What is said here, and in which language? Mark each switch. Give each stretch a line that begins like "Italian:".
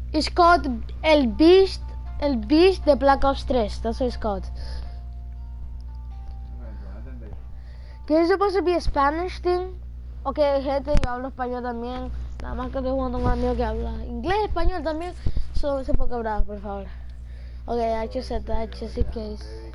English: It's called El Beast de Black Ops 3. That's what it's called.
Spanish: Que es
English: supposed to be a Spanish thing.
Spanish: Okay, gente, yo hablo español también. Nada más que estoy jugando con un amigo que habla inglés, español también. So, se puede quebrar, por favor.
English: Okay, I just said that just in case.